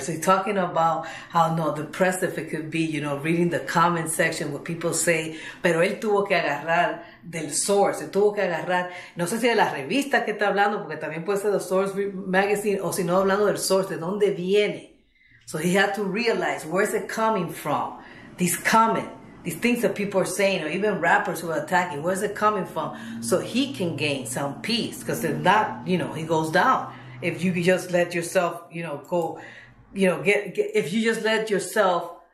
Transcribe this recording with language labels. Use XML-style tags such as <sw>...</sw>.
<en>So he's talking about how no depressive it could be, you know, reading the comment section what people say.</en> <es>Pero él tuvo que agarrar del source. Él tuvo que agarrar, no sé si de la revista que está hablando, porque también puede ser de Source Magazine, o si no, hablando del source, de dónde viene.</es> <en>So he had to realize, where's it coming from? This comment, these things that people are saying, or even rappers who are attacking, where's it coming from? So he can gain some peace, because if not, you know, he goes down. If you just let yourself, you know, go, you know, get if you just let yourself</en>